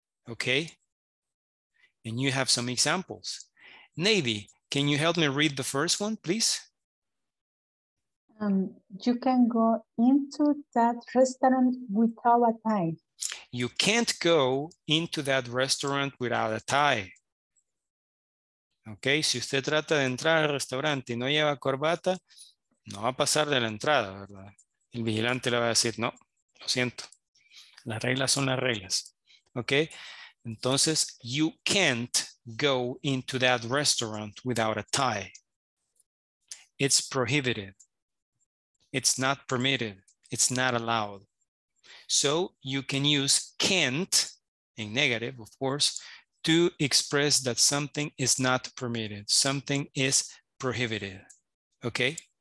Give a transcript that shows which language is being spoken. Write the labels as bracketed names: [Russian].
[English] Okay, and you have some examples. Navy, can you help me read the first one, please? You can go into that restaurant without a tie. You can't go into that restaurant without a tie. [Spanish] Okay, si usted trata de entrar al restaurante y no lleva corbata, no va a pasar de la entrada, ¿verdad? El vigilante le va a decir, no, lo siento. Las reglas son las reglas. [English] Okay, entonces, you can't go into that restaurant without a tie. It's prohibited. It's not permitted, it's not allowed. So you can use can't, in negative, of course, to express that something is not permitted, something is prohibited, okay?